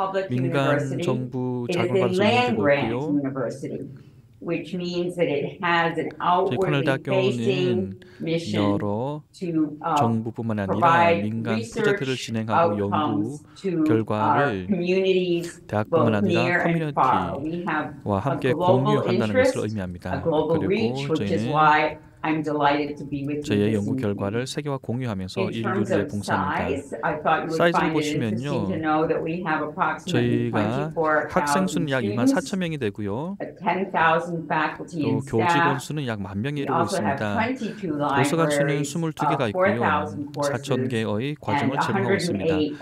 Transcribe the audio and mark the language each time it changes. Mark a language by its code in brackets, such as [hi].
[ko] 민간 정부 자금 받은 대학이고요. [en] Which means that it has an outward facing mission to provide research outcomes to our communities, both near and far. We have a global interest, a global reach, which is why I'm delighted to be with you. [ko] 저희의 연구 결과를 세계와 공유하면서 인류를 위해 봉사합니다. 사이즈를 보시면요. 저희가 학생 수는 약 2만 4천 명이 되고요. 또 교직원 수는 약 1만 명이 이루고 있습니다. 도서관 수는 22개가 있고요. 4천 개의 과정을 제공하고 있습니다.